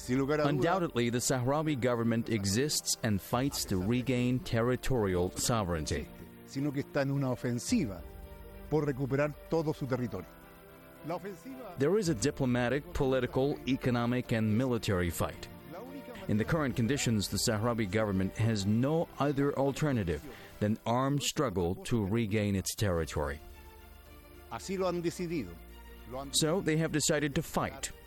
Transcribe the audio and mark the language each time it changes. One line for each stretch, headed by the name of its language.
English: Undoubtedly, the Sahrawi government exists and fights to regain territorial sovereignty.
Spanish: Sino que está en una ofensiva por recuperar todo su territorio.
English: There is a diplomatic, political, economic, and military fight. In the current conditions, the Sahrawi government has no other alternative than armed struggle to regain its territory.
Spanish: Así lo han decidido.
English: So they have decided to fight.